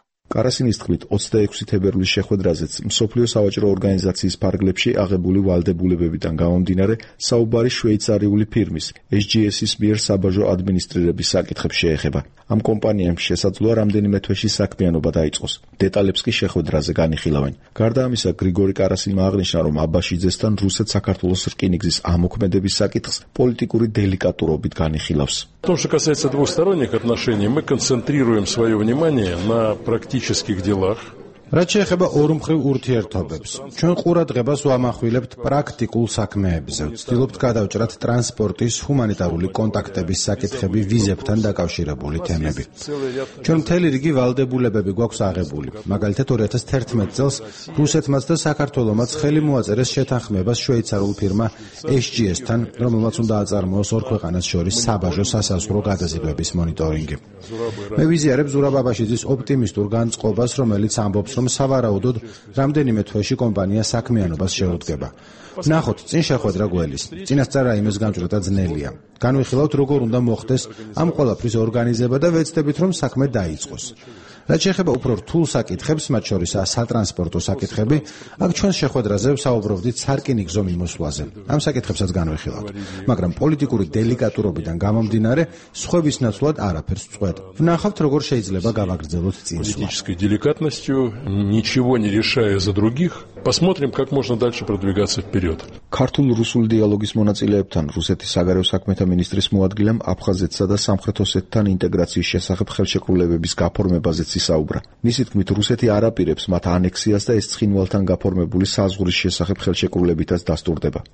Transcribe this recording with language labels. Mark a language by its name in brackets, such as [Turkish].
[Georgian] კარასინის თქმით, 26 თებერვლის შეხვედრაზეც მსოფლიო სავაჭრო ორგანიზაციის ფარგლებში აღებული ვალდებულებებიდან გამომდინარე საუბარი შვეიცარიული ფირმის SGS-ის მიერ საბაჟო ადმინისტრირების საკითხებს შეეხება. ამ კომპანიამ შესაძლოა რამდენიმე თვეში საქმიანობა დაიწყოს. დეტალებს კი შეხვედრაზე განიხილავენ. გარდა ამისა, გრიგორი კარასინმა აღნიშნა, რომ აბაშიძესთან რუსეთ-საქართველოს რკინიგზის ამოქმედების საკითხს პოლიტიკური დელიკატურობით განიხილავს. [Russian] То, что касается двусторонних отношений, мы концентрируем своё внимание на практических делах. [Georgian] რაც შეეხება ორმხრივ ურთიერთობებს, ჩვენ ყურადღებას ვამახვილებთ პრაქტიკულ საქმეებზე. ვცდილობთ გადავჭრათ ტრანსპორტის, ჰუმანიტარული კონტაქტების საკითხები, ვიზებთან დაკავშირებული თემები. ჩვენ მთელი რიგი ვალდებულებები გვაქვს აღებული. მაგალითად, 2011 წელს რუსეთმაც და საქართველოსმაც ხელი მოაწერეს შეთანხმებას შვეიცარიულ ფირმა SGS-თან, რომელმაც უნდა აწარმოოს ორ ქვეყანას შორის საბაჟო სასაზღვრო გადაზიდვების მონიტორინგი. მე ვიზიარებ ზურაბ აბაშიძის ოპტიმიზტურ განწყობას, რომელიც ამბობს, რომ სავარაუდოდ რამდენიმე თვეში კომპანია საქმიანობას შეუდგება. ნახოთ, წინ შეხვედრა გველის. წინასწარაა იმის გამჭრათა ძნელია. განვიხილავთ, როგორ უნდა მოხდეს ამ ყველაფრის ორგანიზება და ვეცდებით, რომ საქმე დაიწყოს. რაც შეეხება უფრო რთულ საკითხებს, მათ შორისაა სატრანსპორტო საკითხები, აქ ჩვენ შეხვედრაზე ვსაუბრობდით სარკინიგზო მიმოსვლაზე. ამ საკითხებსაც განვიხილავთ. მაგრამ პოლიტიკური დელიკატურობიდან გამომდინარე, სხვების ნაცვლად არაფერს წვეთ. ვნახავთ, როგორ შეიძლება გავაგრძელოთ წინსვლა. [Russian] Политической деликатностью ничего не решая за других. Посмотрим, как можно дальше продвигаться вперёд. [Georgian] Ქართულ-რუსული დიალოგის მონაწილეებთან რუსეთის საგარეო საქმეთა მინისტრის მოადგილემ აფხაზეთსა და სამხრეთ ოსეთთან ინტეგრაციის შესახებ ხელშეკრულებების გაფორმებაზეც ისაუბრა. მისი თქმით, რუსეთი არ აპირებს მათ ანექსიას და ეს ცხინვალთან გაფორმებული საზღვრის შესახებ ხელშეკრულებითაც დასტურდება.